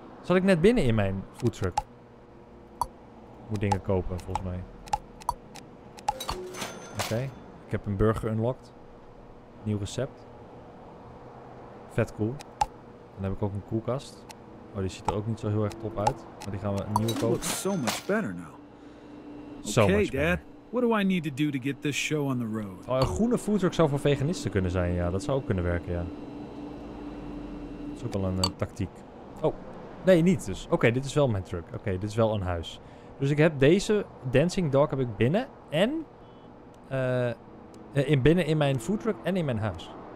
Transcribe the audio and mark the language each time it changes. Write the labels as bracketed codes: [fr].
[nl] Zat ik net binnen in mijn foodtruck? Ik moet dingen kopen, volgens mij. Oké. Ik heb een burger unlocked. Nieuw recept. Vet cool. Dan heb ik ook een koelkast. Oh, die ziet er ook niet zo heel erg top uit. Maar die gaan we een nieuwe kopen. [en] So much better now. So much better. Okay, Dad. What do I need to do to get this show on the road? [nl] Oh, een groene foodtruck zou voor veganisten kunnen zijn, ja. Dat zou ook kunnen werken, ja. Dat is ook wel een tactiek. Oh, nee, niet dus. Oké, dit is wel mijn truck. Oké, dit is wel een huis. Dus ik heb deze dancing dog heb ik binnen. En binnen in mijn foodtruck en in mijn huis.